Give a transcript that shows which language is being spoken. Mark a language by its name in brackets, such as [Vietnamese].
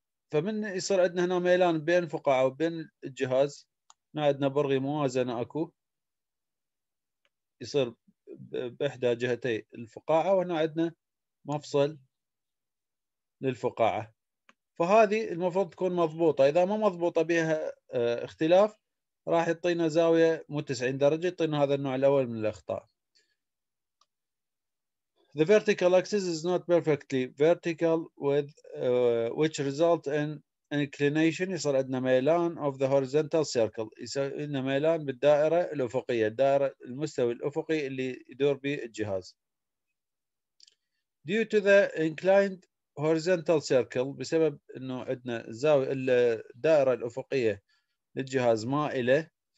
[Arabic] فمن يصير عندنا هنا ميلان بين الفقاعة وبين الجهاز، هنا عندنا برغي موازنة أكو، يصير بإحدى جهتي الفقاعة، وهنا عندنا مفصل للفقاعة. فهذه المفروض تكون مضبوطة، إذا ما مضبوطة بها اختلاف راح يعطينا زاوية مو 90 درجة، يعطينا هذا النوع الأول من الأخطاء. [English] The vertical axis is not perfectly vertical with which result in inclination. [Arabic] يصير عندنا ميلان [English] of the horizontal circle. [Arabic] يصير عندنا ميلان بالدائرة الأفقية، الدائرة المستوى الأفقي اللي يدور به الجهاز. [English] Due to the inclined horizontal circle، [Arabic] بسبب إنه عندنا زاوية الدائرة الأفقية للجهاز مائلة.